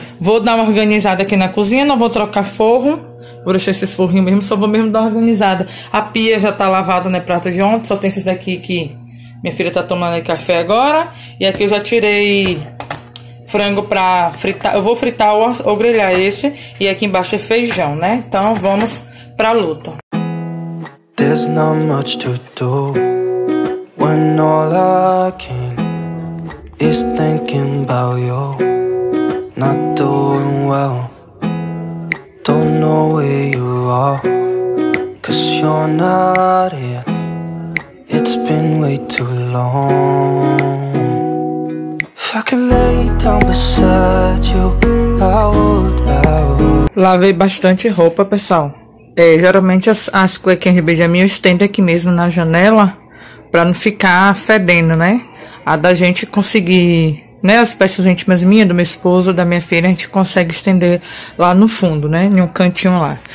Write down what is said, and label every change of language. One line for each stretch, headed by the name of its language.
Portuguese: Vou dar uma organizada aqui na cozinha, não vou trocar forro. Vou deixar esses forrinhos mesmo, só vou mesmo dar uma organizada. A pia já tá lavada, né? Prato de ontem. Só tem esses daqui que minha filha tá tomando café agora. E aqui eu já tirei frango pra fritar. Eu vou fritar ou grelhar esse. E aqui embaixo é feijão, né? Então vamos pra luta.
English: There's not much to do when all I can is thinking about you. Not doing well. Don't know where you are, 'cause you're not here. It's been way too long. If I could lay down beside you, I would.
Portuguese: Lavei bastante roupa, pessoal. Geralmente as cuequinhas de Benjamin eu estendo aqui mesmo na janela pra não ficar fedendo, né? A da gente conseguir, né? As peças íntimas minhas, do meu esposo, da minha filha, a gente consegue estender lá no fundo, né? Em um cantinho lá.